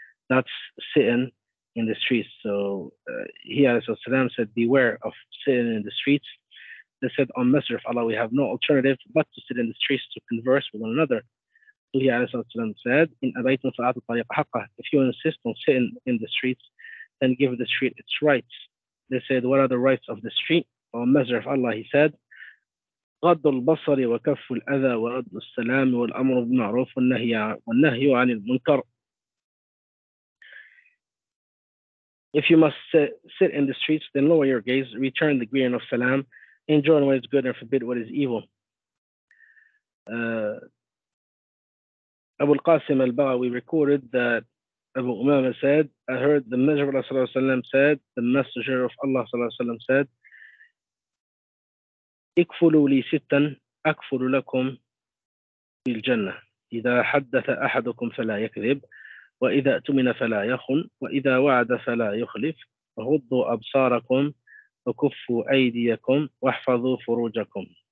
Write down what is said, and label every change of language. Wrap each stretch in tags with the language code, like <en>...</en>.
<en>That's sitting in the streets. So he said, beware of sitting in the streets. They said, on Messenger of Allah, we have no alternative but to sit in the streets to converse with one another. So he said,</en> <ar>in abaytum salatul tariqa haqqa,</ar> <en>if you insist on sitting in the streets, then give the street its rights. They said, what are the rights of the street? On Messenger of Allah, he said,</en> <ar>غض البصر وكف الأذى ورد السلام والأمر بالمعروف والنهي عن المنكر.</ar> <en>If you must sit in the streets, then lower your gaze, return the greeting of salam, enjoin what is good and forbid what is evil. Abu al-Qasim al-Baghawi recorded that Abu Umama said, I heard the Messenger of Allah sallallahu alayhi wa sallam said,</en> <ar>the Messenger of Allah sallallahu alayhi wa sallam said, اكفلوا لي ستا اكفل لكم في الجنه اذا حدث احدكم فلا يكذب واذا اؤتمن فلا يخن واذا وعد فلا يخلف غضوا ابصاركم وكفوا ايديكم واحفظوا فروجكم.</ar>